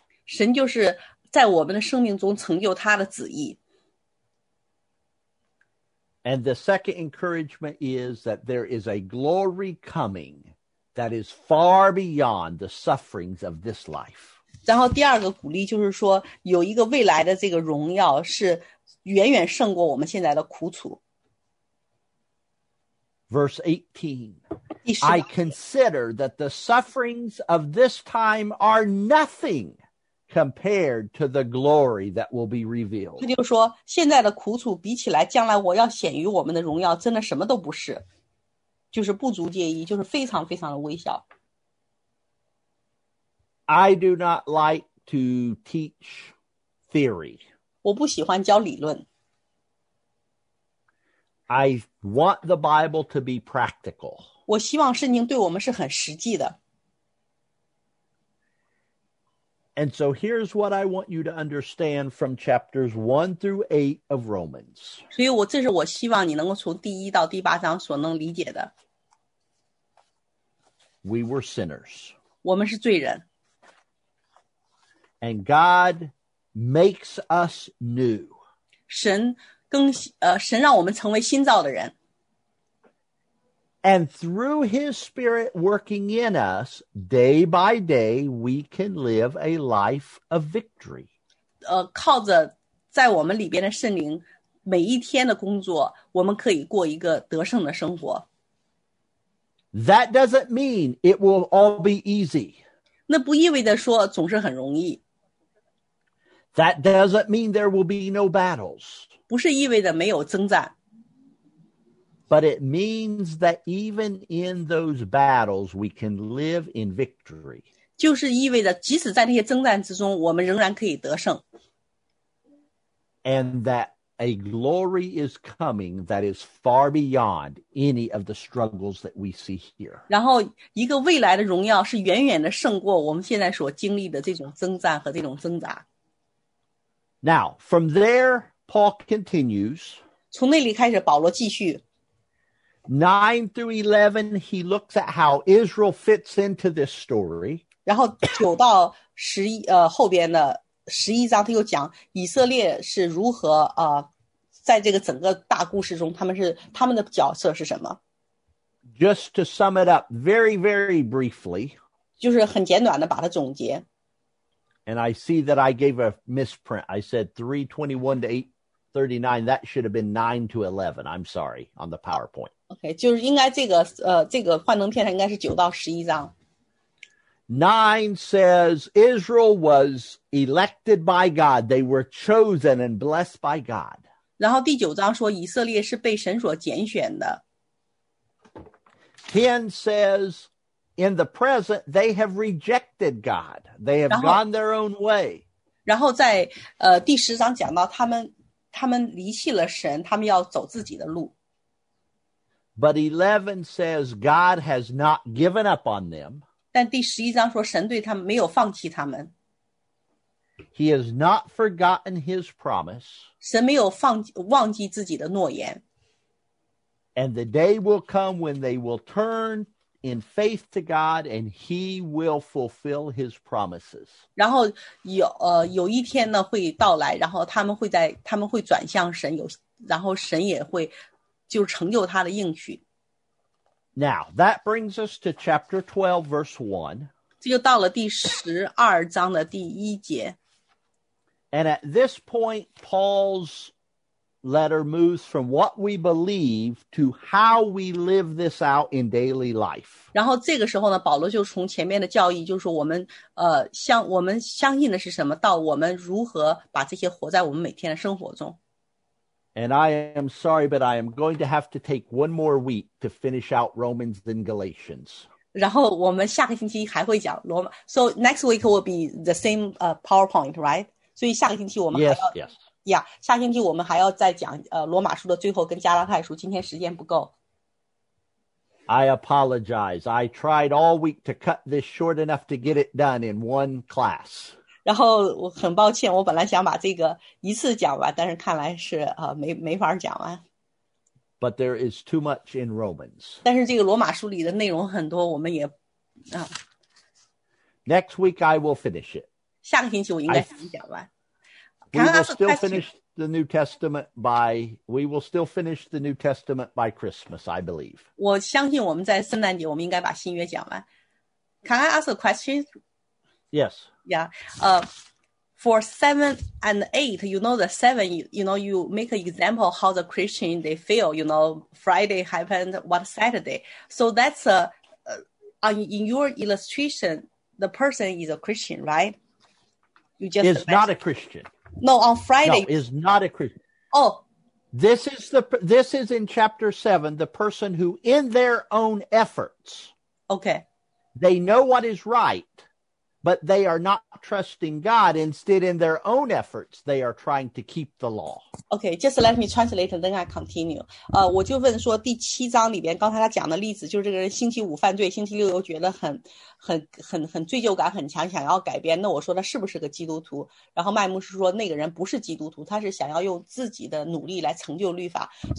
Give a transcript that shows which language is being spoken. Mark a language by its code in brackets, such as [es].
[zh] 神就是在我们的生命中成就他的旨意。 [en] And the second encouragement is that there is a glory coming that is far beyond the sufferings of this life. [zh] 然后第二个鼓励就是说，有一个未来的这个荣耀是远远胜过我们现在的苦楚。 [en] Verse 18, I consider that the sufferings of this time are nothing compared to the glory that will be revealed. [zh] 他就说，现在的苦楚比起来，将来我要显于我们的荣耀，真的什么都不是，就是不足介意，就是非常非常的微小。 [en] I do not like to teach theory. [zh] 我不喜欢教理论。 [en] I want the Bible to be practical. [zh] 我希望圣经对我们是很实际的。 [en] And so here's what I want you to understand from chapters 1 through 8 of Romans. [zh] 所以我这是我希望你能够从第一到第八章所能理解的。 [en] We were sinners. [zh] 我们是罪人。 [en] And God makes us new. [zh] 神让我们成为新造的人。 [en] And through his spirit working in us, day by day, we can live a life of victory. [zh] 靠着在我们里边的圣灵，每一天的工作，我们可以过一个得胜的生活。 [en] That doesn't mean it will all be easy. [zh] 那不意味着说总是很容易。 [en] That doesn't mean there will be no battles. [zh] 不是意味着没有征战。 [en] But it means that even in those battles, we can live in victory. [zh] 就是意味着即使在那些征战之中，我们仍然可以得胜。 [en] And that a glory is coming that is far beyond any of the struggles that we see here. [zh] 然后一个未来的荣耀是远远的胜过我们现在所经历的这种征战和这种挣扎。 [en] Now, from there, Paul continues. [zh] 从那里开始，保罗继续。 [en] 9 through 11, he looks at how Israel fits into this story. [zh] 然后9到11, 后边的11章他又讲以色列是如何在这个整个大故事中他们的角色是什么。 [en] Just to sum it up very, very briefly. [zh] 就是很简短的把它总结。 [en] And I see that I gave a misprint. I said 3:21 to 8:39. That should have been 9 to 11. I'm sorry, on the PowerPoint. [zh] Okay, 就是应该这个幻灯片它应该是9到11章。 [en] 9 says Israel was elected by God. They were chosen and blessed by God. [zh] 然后第9章说以色列是被神所拣选的。 [en] 10 says, in the present, they have rejected God. They have gone their own way. [zh] 然后在, 第十章讲到他们离弃了神，他们要走自己的路。 [en] But 11 says God has not given up on them. [zh] 但第十一章说神对他们没有放弃他们。 [en] He has not forgotten his promise. [zh] 神没有忘记自己的诺言。 [en] And the day will come when they will turn in faith to God and he will fulfill his promises. [zh] 然后有一天呢会到来，然后他们会转向神，然后神也会就成就他的应许。 [en] Now, that brings us to chapter 12, verse 1. [zh] 这就到了第十二章的第一节。 [en] And at this point, Paul's letter moves from what we believe to how we live this out in daily life. [zh] 然后这个时候呢，保罗就从前面的教义，就是我们相信的是什么，到我们如何把这些活在我们每天的生活中。 [en] And I am sorry, but I am going to have to take one more week to finish out Romans and Galatians. [zh] 然后我们下个星期还会讲罗马。 [en] So next week will be the same PowerPoint, right? [zh] 所以下个星期我们还要 [en] Yes. [zh] 下星期我们还要再讲罗马书的最后跟加拉太书。今天时间不够。 [en] I apologize. I tried all week to cut this short enough to get it done in one class. [zh] 然后我很抱歉，我本来想把这个一次讲完，但是看来是没法讲完。 [en] But there is too much in Romans. [zh] 但是这个罗马书里的内容很多，我们也 [en] Next week I will finish it. [zh] 下个星期我应该想讲完。 [en] We will still finish the New Testament by Christmas, I believe. [zh] 我相信我们在圣诞节我们应该把新约讲完。 [en] Can I ask a question? Yes. Yeah. For 7 and 8, you know the 7, you know, you make an example how the Christian, they feel, you know, Friday happened, what Saturday. So that's, in your illustration, the person is a Christian, right? You just is not a Christian. No, on Friday. No, is not a Christian. Oh. This is in chapter 7, the person who in their own efforts. Okay. They know what is right. But they are not trusting God. Instead, in their own efforts, they are trying to keep the law. Okay, just let me translate and then I continue. [zh] 我就问说第七章里边刚才他讲的例子，就是这个人星期五犯罪，星期六又觉得很罪疚感很强，想要改变。那我说他是不是个基督徒？然后麦牧师说那个人不是基督徒，他是想要用自己的努力来成就律法。